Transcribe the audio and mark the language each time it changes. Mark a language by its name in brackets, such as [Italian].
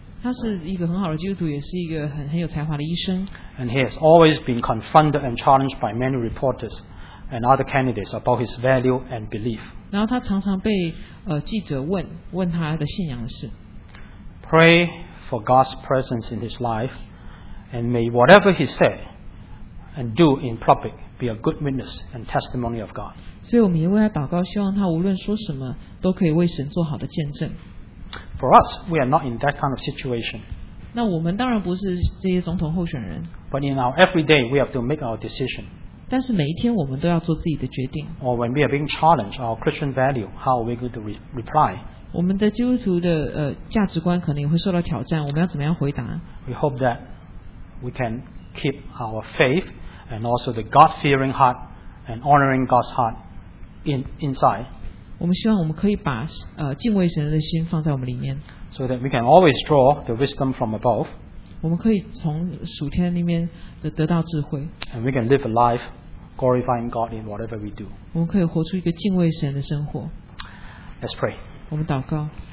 [Chinese] 他是一个很好的基督徒，也是一个很有才华的医生。 [English] And he has always been confronted and challenged by many reporters and other candidates about his value and belief. [Chinese] 然后他常常被记者问他的信仰的事。 [English] Pray for God's presence in his life, and may whatever he say and do in public. Be a good witness and testimony of God. [Chinese] 所以我们也为他祷告，希望他无论说什么都可以为神做好的见证。 [English] For us, we are not in that kind of situation. [Chinese] 那我们当然不是这些总统候选人。 [English] But in our everyday, we have to make our decision. [Chinese] 但是每一天我们都要做自己的决定。 [English] Or when we are being challenged, our Christian value, how are we going to reply? [Chinese] 我们的基督徒的价值观可能也会受到挑战，我们要怎么样回答？ [English] We hope that we can keep our faith. And also the God-fearing heart and honoring God's heart inside. [Chinese] 我们希望我们可以把敬畏神的心放在我们里面。 [English] So that we can always draw the wisdom from above. [Chinese] 我们可以从属天里面得到智慧。 [English] And we can live a life glorifying God in whatever we do. [Chinese] 我们可以活出一个敬畏神的生活。 [English] Let's pray. [Chinese] 我们祷告。